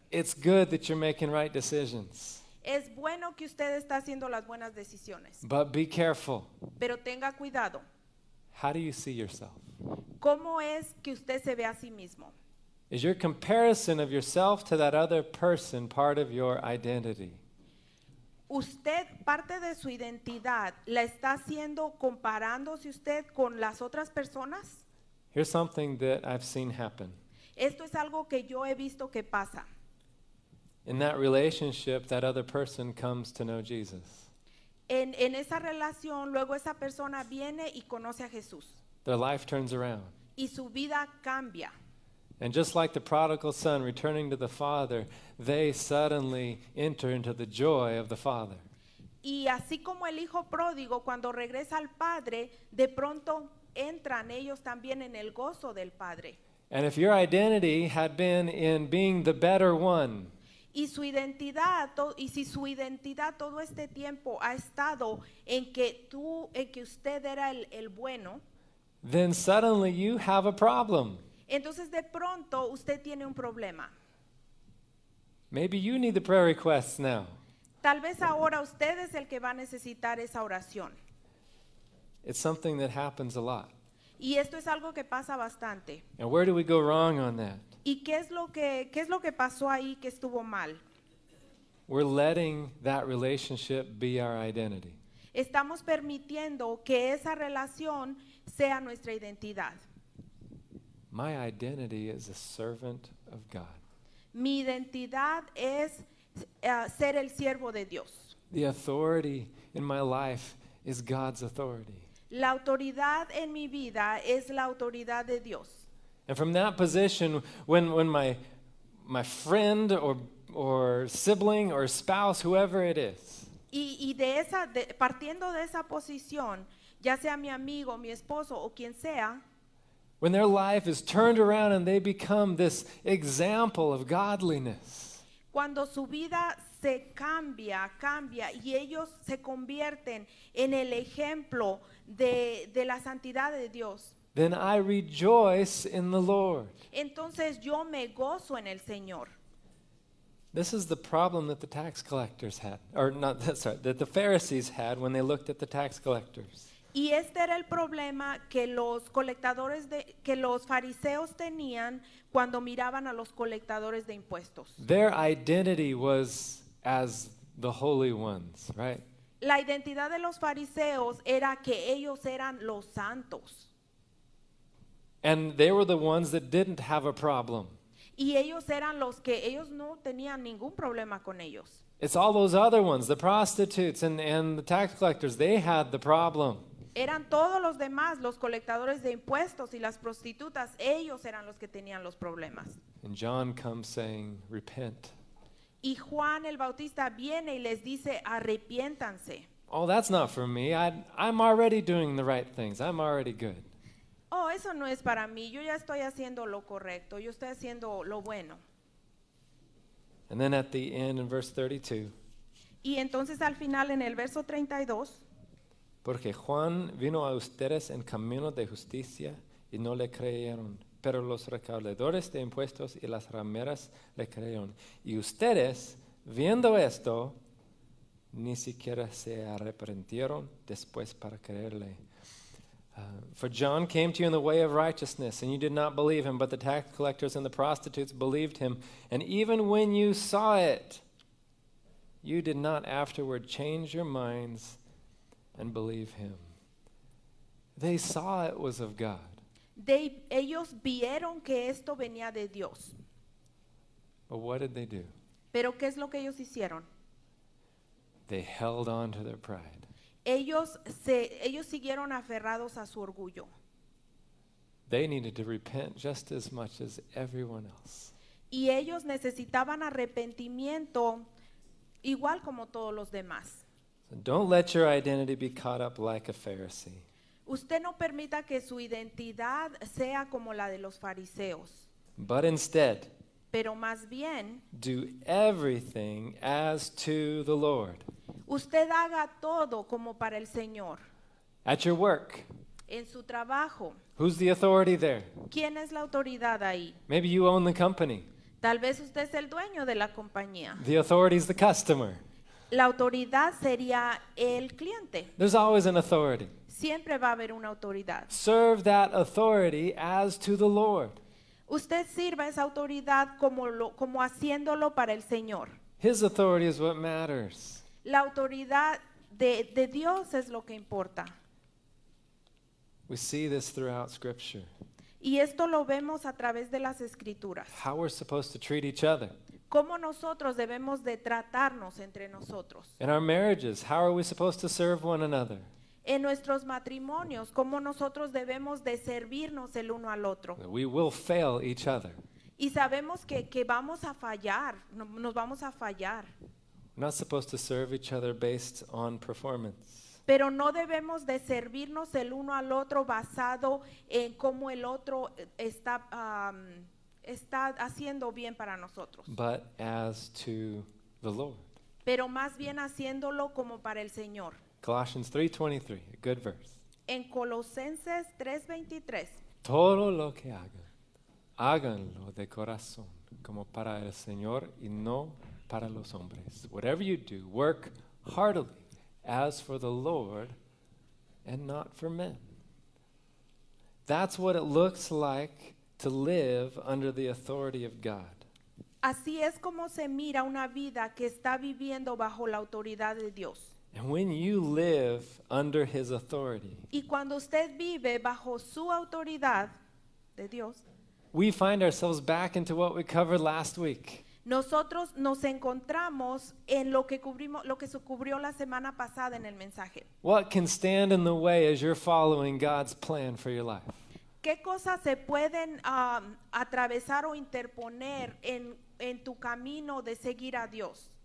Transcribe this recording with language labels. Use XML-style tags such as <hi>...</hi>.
<en>It's good that you're making right decisions.</en> <es>Es bueno que usted está haciendo las buenas decisiones.</es> <en>But be careful.</en> <es>Pero tenga cuidado.</es> <en>How do you see yourself?</en> <es>¿Cómo es que usted se ve a sí mismo?</es> <en>Is your comparison of yourself to that other person part of your identity?</en> <es>Usted parte de su identidad la está haciendo comparándose usted con las otras personas?</es> <en>Here's something that I've seen happen.</en> <es>Esto es algo que yo he visto que pasa.</es> <en>In that relationship, that other person comes to know Jesus.</en> <es>En esa relación, luego esa persona viene y conoce a Jesús.</es> <en>Their life turns around.</en> <es>Y su vida cambia.</es> <en>And just like the prodigal son returning to the father, they suddenly enter into the joy of the father.</en> <es>Y así como el hijo pródigo cuando regresa al padre, de pronto entran ellos también en el gozo del padre.</es> <en>And if your identity had been in being the better one,</en> <es>y su identidad y si su identidad todo este tiempo ha estado en que usted era el bueno,</es> <en>then suddenly you have a problem.</en> <es>Entonces de pronto usted tiene un problema.</es> <en>Maybe you need the prayer requests now.</en> <es>Tal vez ahora usted es el que va a necesitar esa oración.</es> <en>It's something that happens a lot.</en> <es>Y esto es algo que pasa bastante.</es> <en>And where do we go wrong on that?</en> <es>¿Y qué es lo que pasó ahí que estuvo mal?</es> <en>We're letting that relationship be our identity.</en> <es>Estamos permitiendo que esa relación sea nuestra identidad.</es> <en>My identity is a servant of God.</en> <es>Mi identidad es ser el siervo de Dios.</es> <en>The authority in my life is God's authority.</en> <es>La autoridad en mi vida es la autoridad de Dios.</es> <en>And from that position, when my friend or sibling or spouse, whoever it is.</en> <es>Y de esa, de, partiendo de esa posición, ya sea mi amigo, mi esposo o quien sea.</es> <en>When their life is turned around and they become this example of godliness.</en> <es>Cuando su vida se cambia y ellos se convierten en el ejemplo de la santidad de Dios.</es> <en>Then I rejoice in the Lord.</en> <es>Entonces yo me gozo en el Señor.</es> <en>This is the problem that the tax collectors had, or not that, sorry, that the Pharisees had when they looked at the tax collectors.</en> <es>Y este era el problema que los colectadores de, que los fariseos tenían cuando miraban a los colectadores de impuestos.</es> <en>Their identity was as the holy ones, right?</en> <es>La identidad de los fariseos era que ellos eran los santos.</es> <en>And they were the ones that didn't have a problem.</en> <es>Y ellos eran los que ellos no tenían ningún problema con ellos.</es> <en>It's all those other ones, the prostitutes and the tax collectors, they had the problem.</en> <es>Eran todos los demás, los colectadores de impuestos y las prostitutas, ellos eran los que tenían los problemas.</es> <en>And John comes saying, repent.</en> <es>Y Juan el Bautista viene y les dice, arrepiéntanse.</es> <en>Oh, that's not for me. I'm already doing the right things. I'm already good.</en> <es>Oh, eso no es para mí. Yo ya estoy haciendo lo correcto. Yo estoy haciendo lo bueno.</es> <en>And then at the end in verse 32.</en> <es>Y entonces al final en el verso 32. Porque Juan vino a ustedes en camino de justicia y no le creyeron, pero los recaudadores de impuestos y las rameras le creyeron. Y ustedes, viendo esto, ni siquiera se arrepintieron después para creerle.</es> <en>For John came to you in the way of righteousness, and you did not believe him, but the tax collectors and the prostitutes believed him. And even when you saw it, you did not afterward change your minds and believe him. They saw it was of God.</en> <es>Ellos vieron que esto venía de Dios.</es> <en>But what did they do?</en> <es>Pero ¿qué es lo que ellos hicieron?</es> <en>They held on to their pride.</en> <es>Ellos siguieron aferrados a su orgullo.</es> <en>They needed to repent just as much as everyone else.</en> <es>Y ellos necesitaban arrepentimiento igual como todos los demás.</es> <en>Don't let your identity be caught up like a Pharisee.</en> <es>Usted no permita que su identidad sea como la de los fariseos.</es> <en>But instead,</en> <es>pero más bien,</es> <en>do everything as to the Lord.</en> <es>Usted haga todo como para el Señor.</es> <en>At your work.</en> <es>En su trabajo.</es> <en>Who's the authority there?</en> <es>¿Quién es la autoridad ahí?</es> <en>Maybe you own the company.</en> <es>Tal vez usted es el dueño de la compañía.</es> <en>The authority is the customer.</en> <es>La autoridad sería el cliente.</es> <en>There's always an authority.</en> <es>Siempre va a haber una autoridad.</es> <en>Serve that authority as to the Lord.</en> <es>Usted sirva esa autoridad como haciéndolo para el Señor.</es> <en>His authority is what matters.</en> <es>La autoridad de Dios es lo que importa.</es> <en>We see this throughout Scripture.</en> <es>Y esto lo vemos a través de las Escrituras.</es> <en>How we're supposed to treat each other.</en> <es>¿Cómo nosotros debemos de tratarnos entre nosotros?</es> <en>In our marriages, how are we supposed to serve one another?</en> <es>En nuestros matrimonios, ¿cómo nosotros debemos de servirnos el uno al otro?</es> <en>We will fail each other.</en> <es>Y sabemos que vamos a fallar, nos vamos a fallar.</es> <en>We're not supposed to serve each other based on performance.</en> <es>Pero no debemos de servirnos el uno al otro basado en cómo el otro está... está haciendo bien para nosotros.</es> <en>But as to the Lord.</en> <es>Pero más bien haciéndolo como para el Señor.</es> <en>Colossians 3:23, a good verse.</en> <es>En Colosenses 3:23. Todo lo que hagan, háganlo de corazón, como para el Señor y no para los hombres.</es> <en>Whatever you do, work heartily, as for the Lord and not for men. That's what it looks like to live under the authority of God.</en> <es>Así es como se mira una vida que está viviendo bajo la autoridad de Dios.</es> <en>And when you live under His authority,</en> <es>y cuando usted vive bajo su autoridad de Dios,</es> <en>we find ourselves back into what we covered last week.</en> <es>Nosotros nos encontramos en lo que cubrimos, lo que se cubrió la semana pasada en el mensaje.</es> <en>What can stand in the way as you're following God's plan for your life?</en> <es>¿Qué cosas se pueden atravesar o interponer en tu camino de seguir a Dios?</es>